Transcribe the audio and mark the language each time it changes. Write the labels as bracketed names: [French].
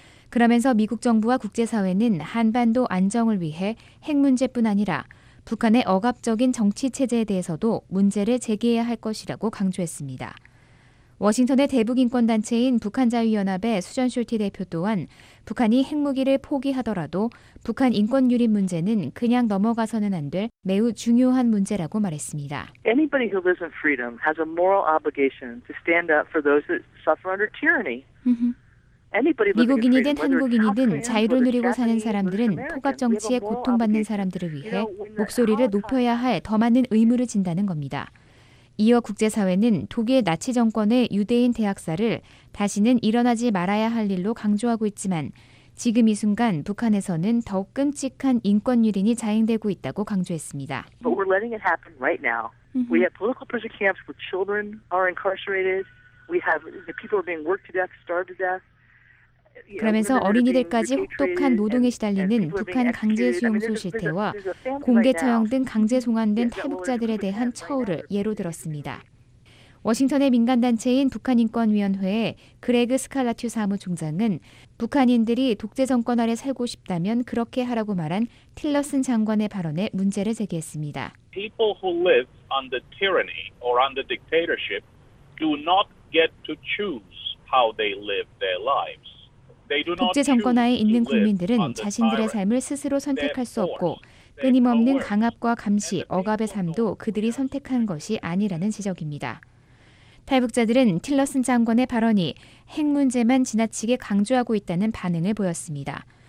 [Korean] 그러면서 미국 정부와 국제사회는 한반도 안정을 위해 핵 문제뿐 아니라 북한의 억압적인 정치 체제에 대해서도 문제를 제기해야 할 것이라고 강조했습니다. 워싱턴의 대북인권단체인 북한자유연합의 수전 숄티 대표 또한 북한이 핵무기를 포기하더라도 북한 인권 유린 문제는 그냥 넘어가서는 안 될 매우 중요한 문제라고 말했습니다. [English] Anybody who lives in freedom has a moral obligation to stand up for those that suffer under tyranny. [Korean] 미국인이든 한국인이든 자유를 누리고 사는 사람들은 폭압정치에 고통받는 사람들을 위해 목소리를 높여야 할 더 많은 의무를 진다는 겁니다. 이어 국제사회는 독일 나치 정권의 유대인 대학살을 다시는 일어나지 말아야 할 일로 강조하고 있지만 지금 이 순간 북한에서는 더욱 끔찍한 인권 유린이 자행되고 있다고 강조했습니다. [English] But we're letting it happen right now. We have political prisoner camps where children are incarcerated. We have the people are being worked to death, starved to death. [Korean] 그러면서 어린이들까지 혹독한 노동에 시달리는 북한 강제수용소 실태와 공개 처형 등 강제송환된 탈북자들에 대한 처우를 예로 들었습니다. 워싱턴의 민간단체인 북한인권위원회의 그레그 스칼라튜 사무총장은 북한인들이 독재 정권 아래 살고 싶다면 그렇게 하라고 말한 틸러슨 장관의 발언에 문제를 제기했습니다. [English] People who live under tyranny or under dictatorship do not get to choose how they live their lives. [Korean] 독재 정권하에 있는 국민들은 자신들의 삶을 스스로 선택할 수 없고 끊임없는 강압과 감시, 억압의 삶도 그들이 선택한 것이 아니라는 지적입니다. 탈북자들은 틸러슨 장관의 발언이 핵 문제만 지나치게 강조하고 있다는 반응을 보였습니다.